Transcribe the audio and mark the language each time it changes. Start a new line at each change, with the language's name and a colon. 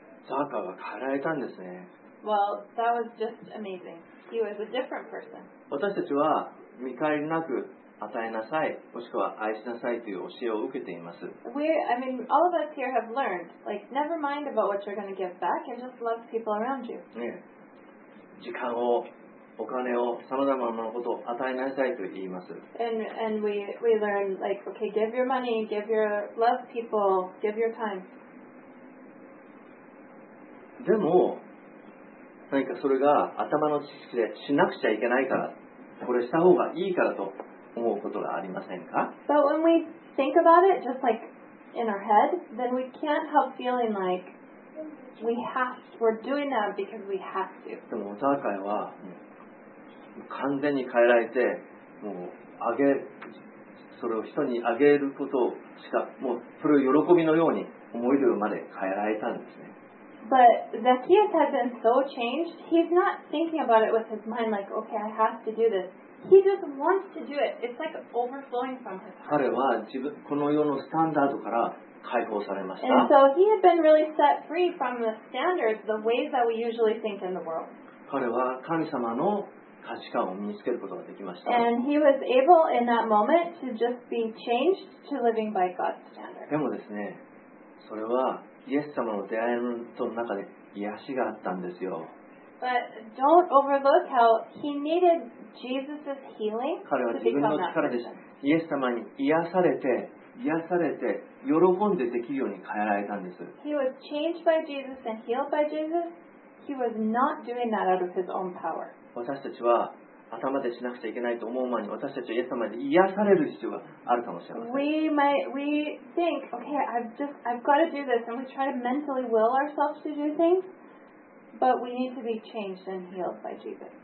Japanese: ザーカイは変えられたんですね。
English: Well, that was just amazing. He was a different person.
Japanese: 私たちは見返りなく与えなさい、もしくは愛しなさいという教えを受けています。
English: I mean, all of us here have learned, like, never mind about what you're going to give back, and just love people around you.
Japanese: 時間を、お金を、さまざまなことを与えなさいと言います。
English: And we learn, like, okay, give your money, give your love people, give your time.
Japanese: でも、何かそれが頭の知識でしなくちゃいけないから、これした方がいいからと思うことがありませんか？
English: But when we think about it, just like in our head, then we can't help feeling like we're doing that because we have to.
Japanese: でもザーカイは完全に変えられて、もうあげ、それを人にあげることしか、もうそれを喜びのように思えるまで変えられたんですね。
English: But Zacchaeus has been so changed. He's not thinking about it with his mind like, okay, I have to do this. He just wants to do it. It's like overflowing from his heart.
Japanese: 彼は自分この世のスタンダードから解放されました。
English: And so he had been really set free from the standards, the ways that we usually think in the world.
Japanese: 彼は神様の価値観を身につけることができました。
English: And he was able in that moment to just be changed to living by God's standard.
Japanese: でもですね、それはイエス様の出会いの中で癒しがあったんですよ。
English: But don't overlook how he needed Jesus's healing.
Japanese: 彼は自分の力でイエス様に癒されて喜んでできるように変えられたんです。
English: He was changed by Jesus and healed by Jesus. He was not doing that out of his own power.
Japanese: 私たちは頭でしなくちゃいけないと思う前に私たちはイエス様に癒される必要があるかもしれません。
English: We think, okay, I've got to do this, and we try to mentally will ourselves to do things, but we need to be changed and healed by Jesus.